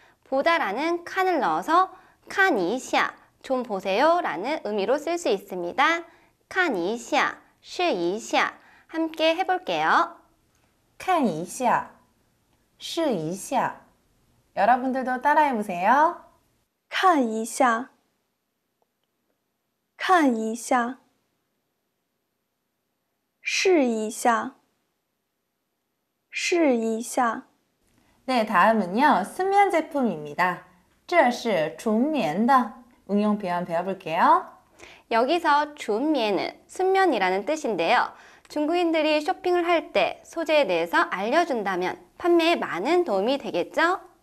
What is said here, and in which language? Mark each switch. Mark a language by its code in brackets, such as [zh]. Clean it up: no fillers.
[ko] 보다 라는 칸을 넣어서 칸이샤, 좀 보세요 라는 의미로 쓸 수 있습니다. 칸이샤, 시이샤 함께 해볼게요. [zh] 看一下，试一下。 [ko] 여러분들도 따라해 보세요. [zh] 看一下，看一下，试一下，试一下。 [ko] 네, 다음은요, 수면 제품입니다. [zh] 这是纯棉的. [ko] 응용 표현 배워볼게요. 여기서 준면은 순면이라는 뜻인데요. 중국인들이 쇼핑을 할 때 소재에 대해서 알려준다면 판매에 많은 도움이 되겠죠?